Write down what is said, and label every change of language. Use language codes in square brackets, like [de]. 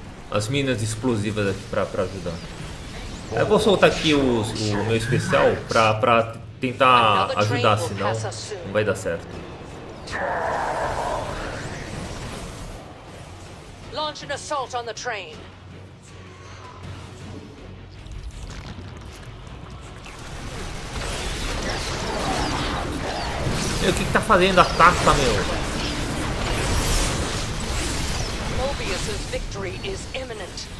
[pt] As minas explosivas aqui pra ajudar. Eu vou soltar aqui o meu especial pra tentar ajudar, senão não vai dar certo. [en] Launch an assault on the train. [pt] Meu, o que tá fazendo a taça, meu? [en] Mobius's victory is imminent.